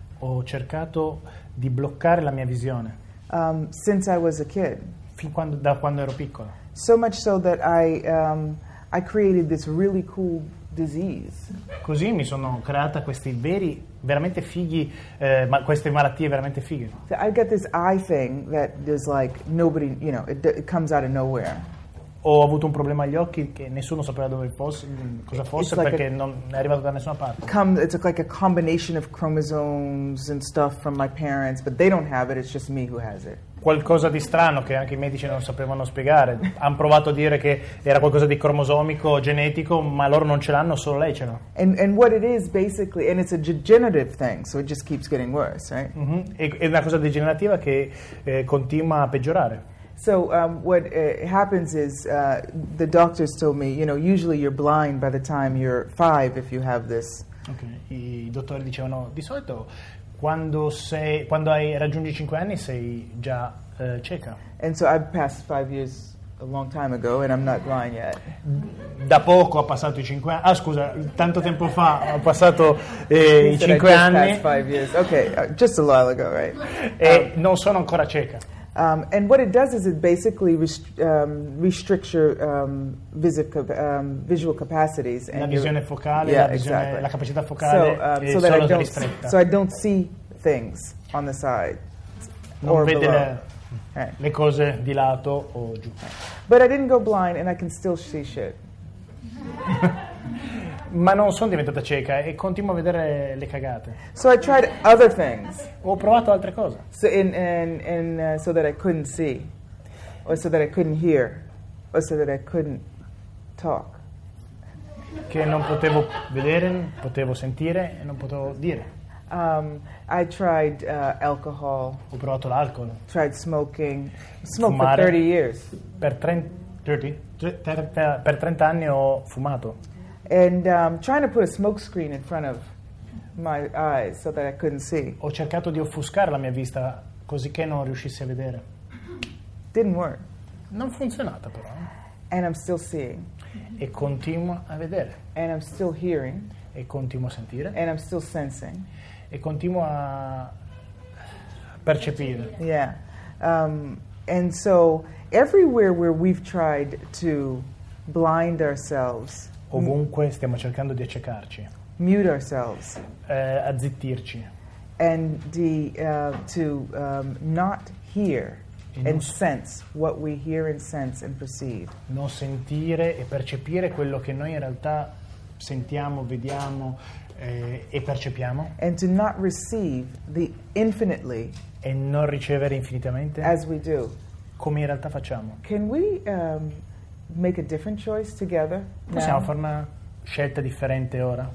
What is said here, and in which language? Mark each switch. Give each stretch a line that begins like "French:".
Italian: ho cercato di bloccare la mia visione.
English: Since I was a kid.
Italian: Da quando ero piccolo.
English: So much so that I created this really cool disease.
Italian: Così mi sono creata questi veramente fighi, ma queste malattie veramente fighe.
English: So I got this eye thing that is like nobody, you know, it comes out of nowhere.
Italian: Ho avuto un problema agli occhi che nessuno sapeva dove fosse, cosa fosse,
English: like
Italian: perché non è arrivato da nessuna parte.
English: It's like a combination of chromosomes and stuff from my parents, but they don't have it, it's just me who has it.
Italian: Qualcosa di strano che anche i medici non sapevano spiegare. Hanno provato a dire che era qualcosa di cromosomico, genetico, ma loro non ce l'hanno, solo lei ce l'ha.
English: And what it is basically, and it's a degenerative thing, so it just keeps getting worse, right? Mm-hmm.
Italian: È una cosa degenerativa che continua a peggiorare.
English: So what happens is the doctors told me, you know, usually you're blind by the time you're 5 if you have this.
Italian: Okay. I dottori dicevano di solito quando hai raggiungi 5 anni sei già cieca.
English: And so I've passed 5 years a long time ago and I'm not blind yet.
Italian: Da poco ho passato i 5 anni. Ah, scusa, tanto tempo fa ho passato i 5 anni.
English: Passed 5 years. Okay, just a while ago, right?
Italian: E non sono ancora cieca.
English: And what it does is it basically restricts your visual capacities.
Italian: And la visione focale,
English: yeah,
Italian: la visione,
English: exactly.
Italian: La capacità focale so
English: that
Italian: solo
English: I don't, so I don't see things on the side
Italian: non
English: or
Italian: vede
English: below.
Italian: Le cose di lato o giù.
English: But I didn't go blind and I can still see shit.
Italian: Ma non sono diventata cieca e continuo a vedere le cagate.
English: So I tried other things.
Italian: Ho provato altre cose.
English: So so that I couldn't see, or so that I couldn't hear, or so that I couldn't talk.
Italian: Che non potevo vedere, potevo sentire e non potevo dire.
English: I tried alcohol.
Italian: Ho provato l'alcol.
English: Tried smoking. Smoked for 30 years.
Italian: Per 30 anni ho fumato.
English: And trying to put a smoke screen in front of my eyes so that I couldn't see.
Italian: Ho cercato di offuscare la mia vista così che non riuscissi a vedere.
English: Didn't work.
Italian: Non funzionata però.
English: And I'm still seeing.
Italian: E continuo a vedere.
English: And I'm still hearing.
Italian: E continuo a sentire.
English: And I'm still sensing.
Italian: E continuo a percepire.
English: Yeah. And so everywhere where we've tried to blind ourselves.
Italian: Ovunque stiamo cercando di accecarci.
English: Mute ourselves.
Italian: Azzittirci.
English: And the, to not hear and sense what we hear and sense and perceive.
Italian: Non sentire e percepire quello che noi in realtà sentiamo, vediamo e percepiamo.
English: And to not receive the infinitely.
Italian: E non ricevere infinitamente.
English: As we do.
Italian: Come in realtà facciamo.
English: Can we make a different choice together?
Italian: Possiamo fare una scelta differente ora?